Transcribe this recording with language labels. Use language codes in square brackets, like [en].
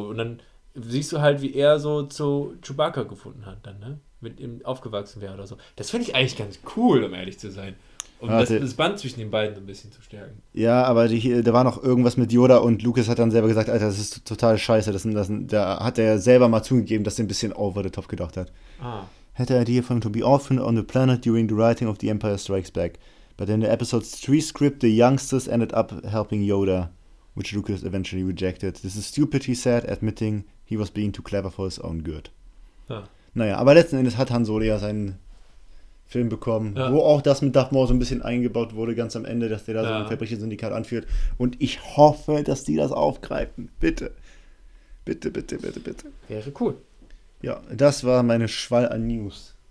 [de] Und dann siehst du halt, wie er so zu Chewbacca gefunden hat dann, ne? Mit ihm aufgewachsen wäre oder so. Das finde ich eigentlich ganz cool, um ehrlich zu sein. Um das Band zwischen den beiden ein bisschen zu stärken. Ja, aber da war noch irgendwas mit Yoda und Lucas hat dann selber gesagt, Alter, das ist total scheiße. Da hat er selber mal zugegeben, dass er ein bisschen [en] over the top [de] gedacht hat. Ah. [en] Had an idea for him to be orphaned on the planet during the writing of The Empire Strikes Back. But in the episode's 3 script, the youngsters ended up helping Yoda, which Lucas eventually rejected. This is stupid, he said, admitting he was being too clever for his own good. [de] Naja, aber letzten Endes hat Han Solo ja seinen Film bekommen, wo auch das mit Darth Maul so ein bisschen eingebaut wurde, ganz am Ende, dass der da so ein Verbrechersyndikat anführt. Und ich hoffe, dass die das aufgreifen. Bitte. Bitte, bitte, bitte, bitte. Wäre cool. Ja, das war meine Schwall an News.